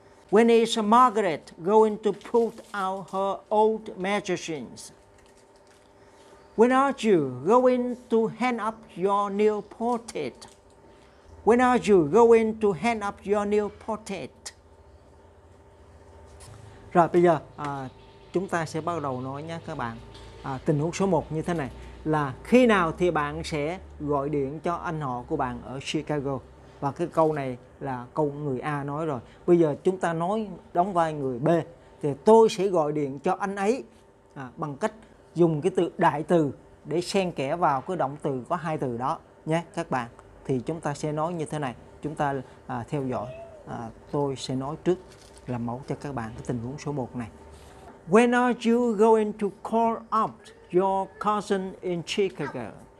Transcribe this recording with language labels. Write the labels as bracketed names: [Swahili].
[English] When is Margaret going to put out her old magazines? When are you going to hang up your new portrait? When are you going to hang up your new portrait? [Vietnamese] Rồi bây giờ chúng ta sẽ bắt đầu nói nha các bạn. Tình huống số 1 như thế này là khi nào thì bạn sẽ gọi điện cho anh họ của bạn ở Chicago? Và cái câu này là câu người A nói rồi. Bây giờ chúng ta nói đóng vai người B thì tôi sẽ gọi điện cho anh ấy bằng cách dùng cái từ đại từ để xen kẽ vào cái động từ có hai từ đó nhé các bạn. Thì chúng ta sẽ nói như thế này. Chúng ta theo dõi. Tôi sẽ nói trước làm mẫu cho các bạn cái tình huống số 1 này. [English] When are you going to call up your cousin in Chicago?